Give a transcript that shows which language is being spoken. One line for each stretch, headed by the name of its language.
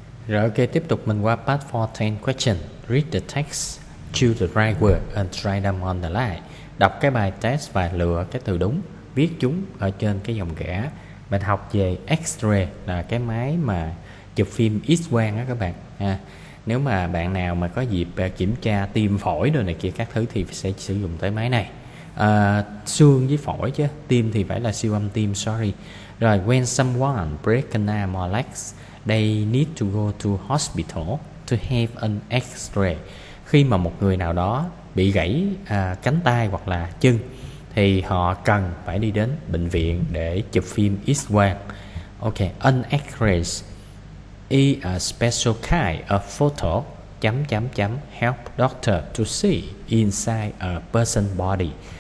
Vietnamese: Rồi ok, tiếp tục mình qua part 14 question.
English: Read the text, choose the right word and try them on the line.
Vietnamese: Đọc cái bài test và lựa cái từ đúng, viết chúng ở trên cái dòng kẻ. Mình học về X-ray là cái máy mà chụp phim X-quang đó các bạn ha. Nếu mà bạn nào mà có dịp kiểm tra tim phổi đồ này kia các thứ thì sẽ sử dụng tới máy này. Xương với phổi chứ, tim thì phải là siêu âm tim, sorry.
English: Rồi, when someone breaks an arm or legs, they need to go to hospital to have an X-ray.
Vietnamese: Khi mà một người nào đó bị gãy cánh tay hoặc là chân thì họ cần phải đi đến bệnh viện để chụp phim X-quang.
English: Ok, an X-ray is a special kind of photo help doctor to see inside a person's body.